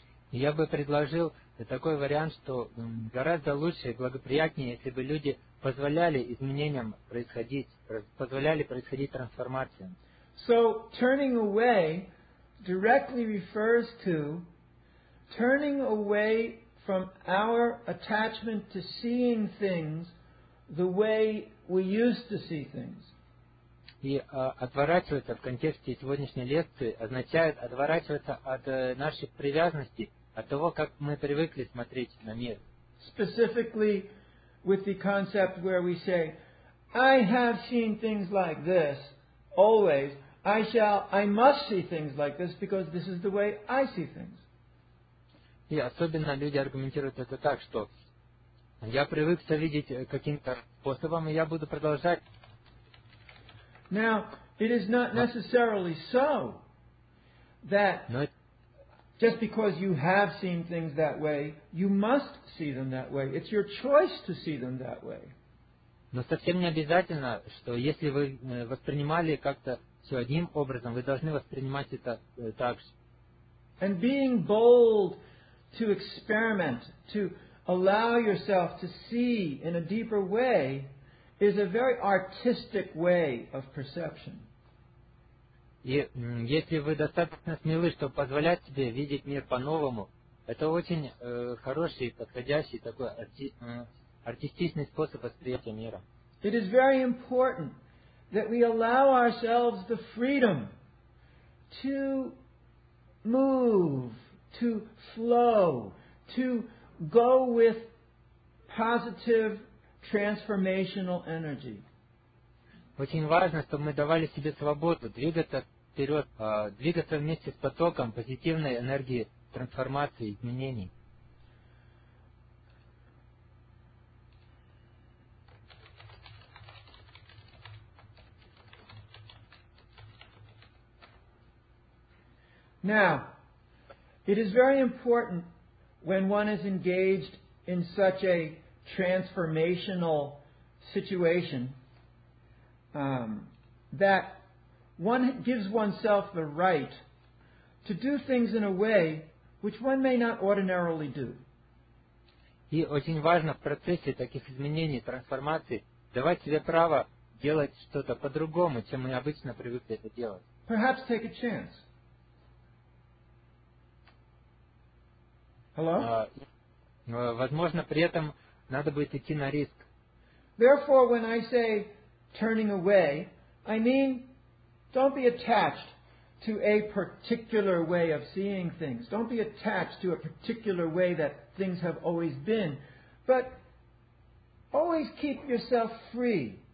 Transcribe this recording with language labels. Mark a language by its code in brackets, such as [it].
[ru] Я бы предложил такой вариант, что гораздо лучше и благоприятнее, если бы люди позволяли изменениям происходить, позволяли происходить трансформациям. [en] So, turning away directly refers to turning away from our attachment to seeing things the way we used to see things. [ru] И отворачиваться в контексте сегодняшней лекции означает отворачиваться от наших привязанностей, от того, как мы привыкли смотреть на мир. [en] Specifically with the concept where we say, I have seen things like this always, I must see things like this because this is the way I see things. [ru] И особенно люди аргументируют это так, что я привык все видеть каким-то способом, и я буду продолжать. [en] Now, it is not necessarily so that just because you have seen things that way, you must see them that way. It's your choice to see them that way. [ru] Но совсем не обязательно, что если вы воспринимали как-то все одним образом, вы должны воспринимать это так же. [en] And being bold to experiment, to allow yourself to see in a deeper way, is a very artistic way of perception. [ru] И если вы достаточно смелы, чтобы позволять себе видеть мир по-новому, это очень хороший, подходящий такой артистичный способ восприятия мира. [en] It is very important that we allow ourselves the freedom to move, to flow, to go with positive transformational energy. [ru] Очень важно, чтобы мы давали себе свободу двигаться вперед, двигаться вместе с потоком позитивной энергии трансформации, изменений. [en] Now, it is very important when one is engaged in such a transformational situation that one gives oneself the right to do things in a way which one may not ordinarily do. [ru] И очень важно в процессе таких изменений, трансформаций, давать себе право делать что-то по-другому, чем мы обычно привыкли это делать. [en] Perhaps take a chance. Hello? [ru] Возможно, при этом надо будет идти на риск. [en] Therefore, when I say turning away, I mean don't be attached to a particular way of seeing things. Don't be attached to a particular way that things have always been. But always keep yourself free.